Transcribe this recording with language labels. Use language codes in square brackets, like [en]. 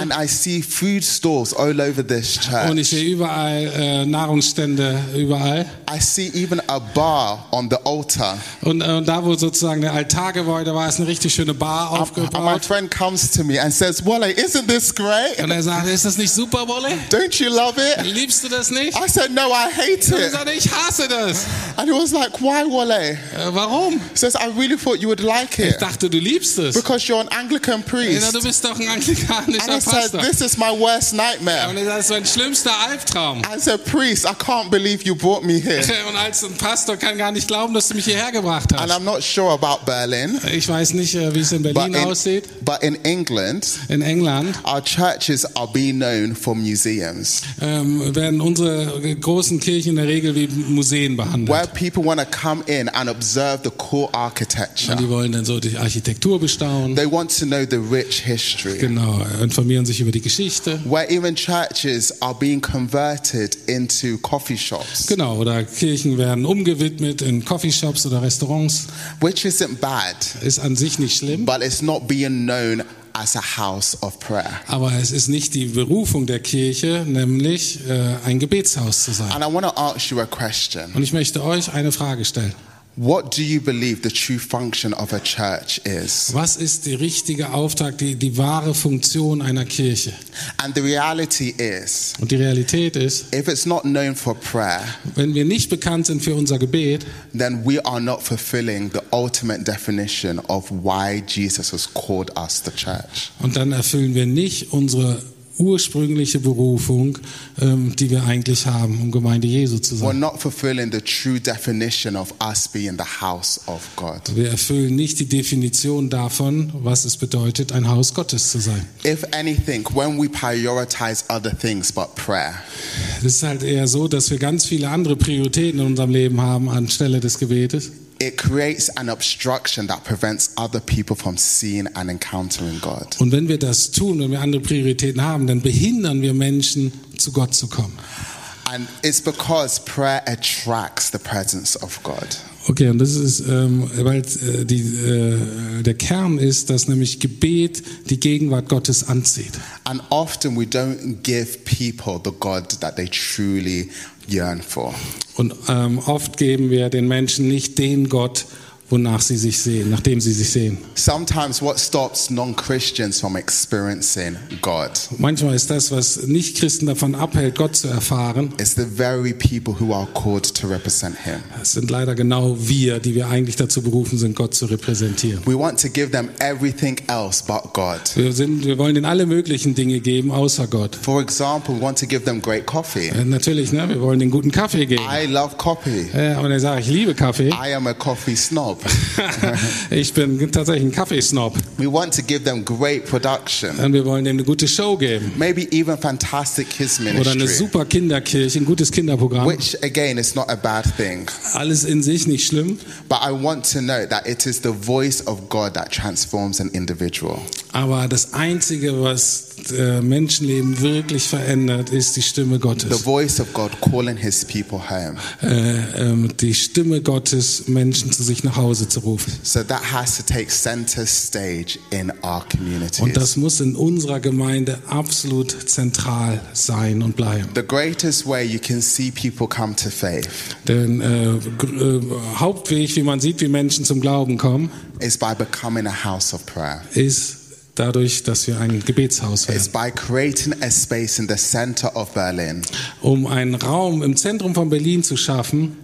[en] And I see food stores all over this church. [de] Und ich sehe überall Nahrungsstände überall. [en] I see even a bar on the altar. [de] Und da, wo sozusagen der Altar geweiht, da war es eine richtig schöne Bar aufgebaut. [en] And my friend comes to me and says, Wale, isn't this great? [de] Und er sagt, ist das nicht super, Wale? [en] Don't you love it? [de] Liebst du das nicht? [en] I said, no, I hate it. [de] Ich hasse das. [en] And he was like, why, Wale? [de] Warum? [en] He says, I really thought you would like it. [de] Ich dachte, du liebst es. [en] Because you're an Anglican priest. [de] Ja, du bist doch ein anglikanischer [en] and [de] Pastor. [en] And he said, this is my worst nightmare. [de] Und er sagt, das ist mein schlimmster Albtraum. [en] As a priest, I can't believe you brought me here. [de] Und als ein Pastor kann gar nicht glauben, dass du mich hierher gebracht hast. [en] And I'm not sure about Berlin. [de] Ich weiß nicht, wie es in Berlin aussieht. [en] But in England. [de] In England. [en] Our churches are being known for museums. [de] Werden unsere großen Kirchen in der Regel wie Museen behandelt. [en] Where people want to come in and observe the core architecture. [de] Und die wollen dann so die Architektur bestaunen. [en] They want to know the rich history. [de] Genau, informieren sich über die Geschichte. [en] Where even churches are being converted into coffee shops. [de] Genau, oder Kirchen werden umgewidmet in coffee shops oder Restaurants. [en] Which isn't bad. [de] Ist an sich nicht schlimm. [en] But it's not being known as a house of prayer. [de] Aber es ist nicht die Berufung der Kirche, nämlich ein Gebetshaus zu sein. [en] And I want to ask you a question. [de] Und ich möchte euch eine Frage stellen. [en] What do you believe the true function of a church is? [de] Was ist der richtige Auftrag, die wahre Funktion einer Kirche? [en] And the reality is. [de] Und die Realität ist. [en] If it's not known for prayer. [de] Wenn wir nicht bekannt sind für unser Gebet. [en] Then we are not fulfilling the ultimate definition of why Jesus has called us the church. [de] Und dann erfüllen wir nicht unsere ursprüngliche Berufung, die wir eigentlich haben, um Gemeinde Jesu zu sein. [en] We're not fulfilling the true definition of us being the house of God. [de] Wir erfüllen nicht die Definition davon, was es bedeutet, ein Haus Gottes zu sein. [en] If anything, when we prioritize other things but prayer. [de] Es ist halt eher so, dass wir ganz viele andere Prioritäten in unserem Leben haben anstelle des Gebetes. [en] It creates an obstruction that prevents other people from seeing and encountering God. [de] Und wenn wir das tun, wenn wir andere Prioritäten haben, dann behindern wir Menschen, zu Gott zu kommen. [en] And it's because prayer attracts the presence of God. [de] Okay, und das ist, weil die, der Kern ist, dass nämlich Gebet die Gegenwart Gottes anzieht. [en] And often we don't give people the God that they truly yearn for. [de] Und oft geben wir den Menschen nicht den Gott, wonach sie sich sehen, nachdem sie sich sehen. [en] Sometimes what stops non-Christians from experiencing God. [de] Manchmal ist das, was Nicht-Christen davon abhält, Gott zu erfahren. [en] It's the very people who are called to represent him. [de] Es sind leider genau wir, die wir eigentlich dazu berufen sind, Gott zu repräsentieren. [en] We want to give them everything else but God. [de] Wir wollen ihnen alle möglichen Dinge geben, außer Gott. [en] For example, we want to give them great coffee. [de] Natürlich, ne, wir wollen ihnen guten Kaffee geben. [en] I love coffee. [de] Und dann sage ich, liebe Kaffee. [en] I am a coffee snob. [de] Ich bin tatsächlich ein Kaffeesnob. [en] We want to give them great production. [de] Und wir wollen ihnen eine gute Show geben. [en] Maybe even fantastic kids ministry. [de] Oder eine super Kinderkirche, ein gutes Kinderprogramm. [en] Which again is not a bad thing. [de] Alles in sich nicht schlimm. [en] But I want to note that it is the voice of God that transforms an individual. [de] Aber das Einzige, was Menschenleben wirklich verändert, ist die Stimme Gottes. [en] The voice of God calling his people home. [de] Die Stimme Gottes, Menschen zu sich nach Hause zu rufen. [en] So that has to take center stage in our communities. [de] Und das muss in unserer Gemeinde absolut zentral sein und bleiben. [en] The greatest way you can see people come to faith. [de] Denn Hauptweg, wie man sieht, wie Menschen zum Glauben kommen, [en] is by becoming a house of prayer. [de] Ist dadurch, dass wir ein Gebetshaus werden. [en] It's by creating a space in the center of Berlin. [de] Um einen Raum im Zentrum von Berlin zu schaffen,